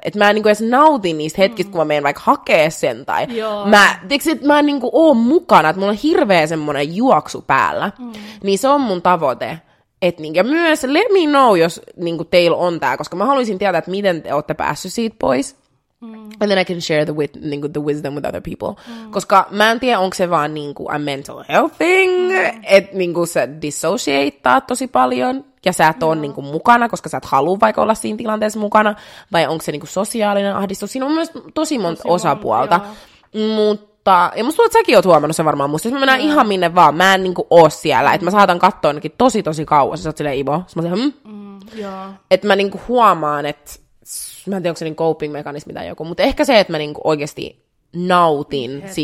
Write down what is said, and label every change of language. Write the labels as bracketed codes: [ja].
[fi] Että mä en niinku edes nautin niistä hetkistä, kun mä meen vaikka hakee sen. Tai mä en niinku oo mukana. Että mulla on hirveä semmonen juoksu päällä. Niin se on mun tavoite. Et niinku, ja myös [en] let me know, [fi] jos niinku teillä on tää. Koska mä haluaisin tietää, että miten te ootte päässyt siitä pois. [en] And then I can share the wisdom with other people. [fi] Koska mä en tiedä, onko se vaan niinku [en] a mental health thing, [fi] että niinku sä dissociateat tosi paljon ja sä et ole niinku mukana, koska sä et halua vaikka olla siinä tilanteessa mukana, vai onko se niinku sosiaalinen ahdistus. Siinä on myös tosi monta osapuolta. Mutta, ja musta tuntuu, että säkin oot huomannut sen varmaan musta, jos mä menen ihan minne vaan, mä en niinku oo siellä, että mä saatan katsoa ainakin tosi kauas, ja sä oot silleen Ivo, sä mä silleen Että mä niinku huomaan, että mä en tiedä, onko se niin coping-mekanismi tai joku, mutta ehkä se, että mä niinku oikeasti nautin hetkestä.